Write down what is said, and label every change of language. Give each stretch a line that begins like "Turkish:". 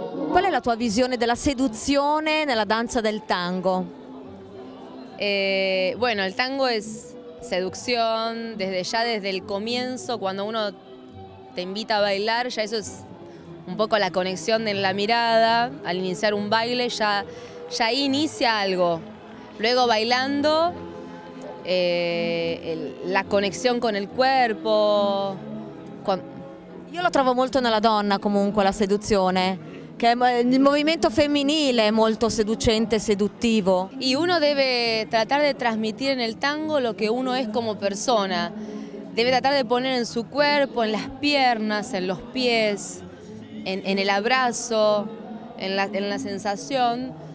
Italian: Qual è la tua visione della seduzione nella danza del tango?
Spanish: Bueno, el tango es seducción desde ya desde el comienzo, cuando uno te invita a bailar, ya eso es un poco la conexión en la mirada, al iniciar un baile ya ahí inicia algo. Luego bailando, la conexión con el cuerpo.
Italian: Io lo trovo molto nella donna comunque la seduzione.
Spanish: Que el movimiento femenil es muy seducente, seductivo. Y uno debe tratar de transmitir en el tango lo que uno es como persona. Debe tratar de poner en su cuerpo, en las piernas, en los pies, en el abrazo, en la sensación.